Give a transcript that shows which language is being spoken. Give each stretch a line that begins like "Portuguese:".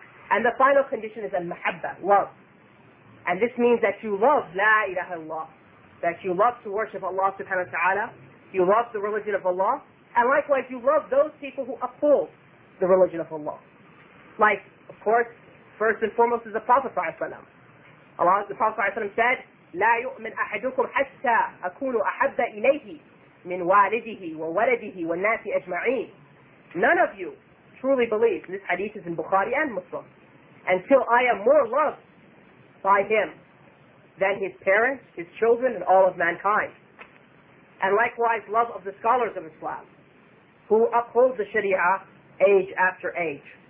English: And the final condition is al-mahabba, love. And this means that you love la ilaha illallah, that you love to worship Allah subhanahu wa ta'ala, you love the religion of Allah, And likewise, you love those people who uphold the religion of Allah. Like, of course, first and foremost is the Prophet ﷺ.
Arabic: Allah, the Prophet ﷺ said, لَا يُؤْمِنْ أَحَدُكُمْ حَتَّى أَكُونُ أَحَبَّ إِلَيْهِ مِنْ وَالِدِهِ وَوَلَدِهِ وَالنَّاسِ أَجْمَعِينَ.
English: None of you truly believe, this hadith is in Bukhari and Muslim, until I am more loved by him than his parents, his children, and all of mankind. And likewise, love of the scholars of Islam, who uphold the Sharia age after age.